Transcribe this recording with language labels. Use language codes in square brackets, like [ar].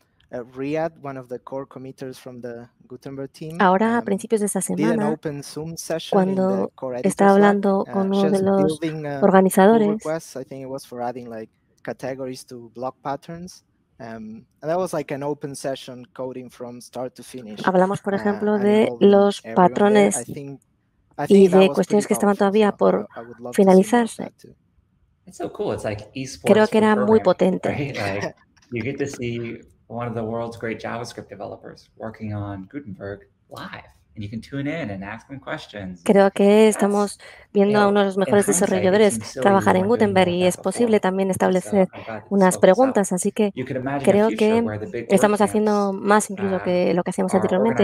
[en] Riyad, one of the core committers from the Gutenberg team. [es] Ahora, a principios de esta semana, cuando estaba hablando con uno de los organizadores, [en] I think it was for adding like categories to block patterns. And that was like an open session coding from start to finish. [es] Hablamos, por ejemplo, de los patrones y de cuestiones que estaban todavía por finalizarse. [en] It's so cool. It's like esports. [es] Creo que era muy potente. [en] You get to see one of the world's great JavaScript developers working on Gutenberg live, and you can tune in and ask them questions. [es] Creo que estamos viendo a uno de los mejores desarrolladores trabajar en Gutenberg, y es posible también establecer unas preguntas. Así que creo que estamos haciendo más incluso que lo que hacíamos anteriormente.